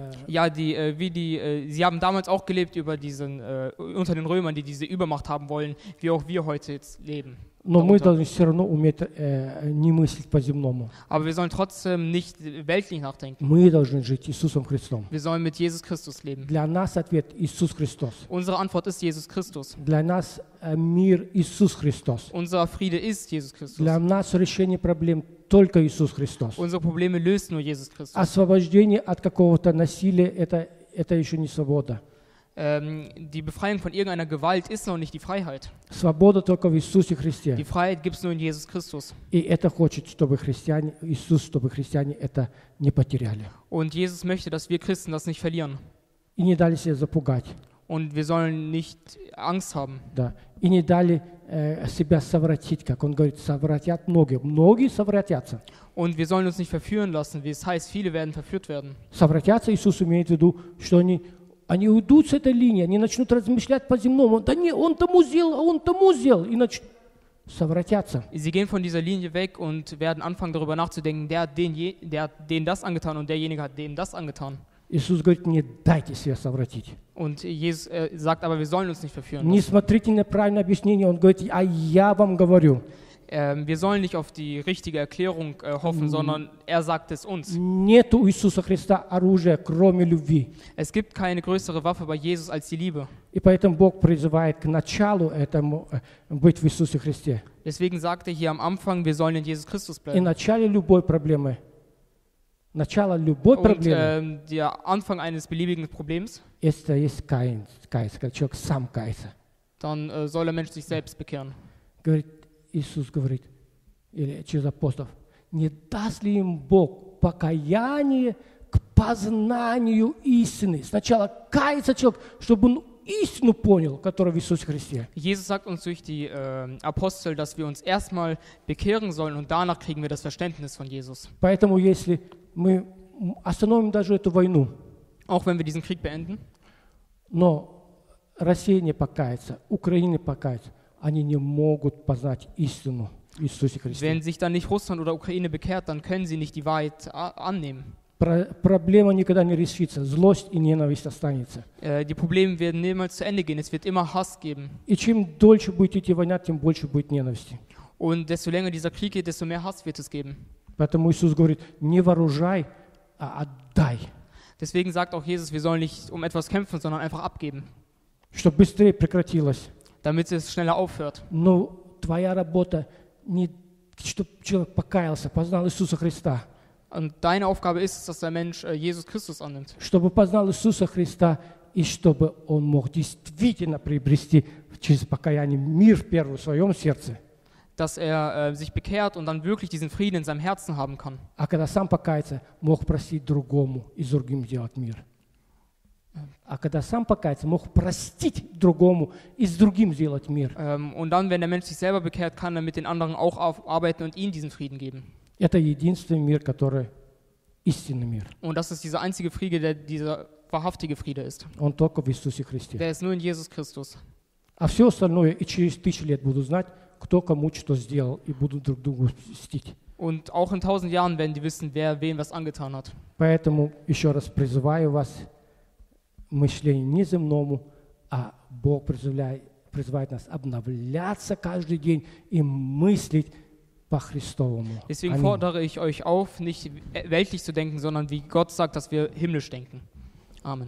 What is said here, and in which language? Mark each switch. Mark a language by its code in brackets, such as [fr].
[de] ja, die, wie die, sie haben damals auch gelebt über diesen, unter den Römern, die diese Übermacht haben wollen, wie auch wir heute jetzt leben. [ru] Но мы должны все равно уметь не мыслить по-земному. [de] Aber wir sollen trotzdem nicht weltlich nachdenken. [ru] Мы должны жить Иисусом Христом. [de] Wir sollen mit Jesus Christus leben. [ru] Для нас ответ Иисус Христос. [de] Unsere Antwort ist Jesus Christus. [ru] Для нас мир Иисус Христос. [de] Unser Friede ist Jesus Christus. [ru] Для нас решение проблем только Иисус Христос. [de] Unsere Probleme löst nur Jesus Christus. [ru] Освобождение от какого-то насилия это еще не свобода. [de] Die Befreiung von irgendeiner Gewalt ist noch nicht die Freiheit. [ru] Свобода только в Иисусе Христе. [de] Die Freiheit gibt es nur in Jesus Christus. [ru] И это хочет, чтобы христиане, Иисус, чтобы христиане это не потеряли. [de] Und Jesus möchte, dass wir Christen das nicht verlieren. [ru] И не дали себя запугать. [de] Und wir sollen nicht Angst haben. [ru] Да. И не дали себя совратить, как он говорит, совратят многие. Многие совратятся. [de] Und wir sollen uns nicht verführen lassen, wie es heißt, viele werden verführt werden. [ru] Совратятся, Иисус имеет в виду, что они... Они уйдут с этой линии, они начнут размышлять по-земному. Да не, он тому сделал, а он тому сделал. И начнут совратятся. [de] Sie gehen von dieser Linie weg und werden anfangen darüber nachzudenken, der hat denen das angetan und derjenige hat denen das angetan. [ru] Иисус говорит, не дайте себя совратить. [de] Und Jesus sagt, aber wir sollen uns nicht verführen. [ru] Не смотрите на правильное объяснение. Он говорит, а я вам говорю. [de] Wir sollen nicht auf die richtige Erklärung hoffen, sondern er sagt es uns. [ru] Нет у Иисуса Христа оружия, кроме любви. [de] Es gibt keine größere Waffe bei Jesus als die Liebe. [ru] И поэтому Бог призывает к началу этому быть в Иисусе Христе. [de] Deswegen sagt er hier am Anfang, wir sollen in Jesus Christus bleiben. [ru] И начало любой проблемы. Начало любой проблемы. [de] Und der Anfang eines beliebigen Problems. [ru] Это есть каяться, когда человек сам каяться. [de] Dann soll der Mensch sich selbst bekehren. [ru] Говорит, Иисус говорит, или через апостолов, не даст ли им Бог покаяние к познанию истины? Сначала кается человек, чтобы он истину понял, которая в Иисусе Христе. [de] Jesus sagt uns durch die Apostel, dass wir uns erstmal bekehren sollen und danach kriegen wir das Verständnis von Jesus. [ru] Поэтому, если мы остановим даже эту войну, [de] auch wenn wir diesen Krieg beenden, [ru] но Россия не покается, Украина покается, они не могут познать истину Иисуса Христа. [de] Wenn sich dann nicht Russland oder Ukraine bekehrt, dann können sie nicht die Wahrheit annehmen. [ru] Проблема никогда не решится. Злость и ненависть останется. [de] Die Probleme werden niemals zu Ende gehen. Es wird immer Hass geben. [ru] И чем дольше будет идти война, тем больше будет ненависти. [de] Und desto länger dieser Krieg geht, desto mehr Hass wird es geben. [ru] Поэтому Иисус говорит, не вооружай, а отдай. [de] Deswegen sagt auch Jesus, wir sollen nicht um etwas kämpfen, sondern einfach abgeben. [ru] Чтобы быстрее прекратилось. [de] Damit es schneller aufhört. [ru] Но твоя работа не, чтобы человек покаялся, познал Иисуса Христа. [de] Und deine Aufgabe ist, dass der Mensch Jesus Christus annimmt. [ru] Чтобы познал Иисуса Христа и чтобы он мог действительно приобрести через покаяние мир в первом своем сердце. [de] Dass er sich bekehrt und dann wirklich diesen Frieden in seinem Herzen haben kann. [ru] А когда сам покаялся, мог простить другому и другим делать мир. А когда сам покаялся, мог простить другому и с другим сделать мир. [de] Und dann, wenn der Mensch sich selber bekehrt, kann er mit den anderen auch arbeiten und ihnen diesen Frieden geben. [ru] Это единственный мир, который истинный мир. [de] Und das ist dieser einzige Friede, der dieser wahrhaftige Friede ist. [ru] Он только в Иисусе Христе. [de] Der ist nur in Jesus Christus. [ru] А все остальное и через тысячу лет буду знать, кто кому что сделал и буду друг другу мстить. [de] Und auch in 1000 Jahren werden die wissen, wer wem was angetan hat. [ru] Поэтому еще раз призываю вас. Мышление не земному, а Бог призывает нас обновляться каждый день и мыслить по-христовому. [de] Deswegen Аминь. Fordere ich euch auf, nicht weltlich zu denken, sondern wie Gott sagt, dass wir himmlisch denken. Amen.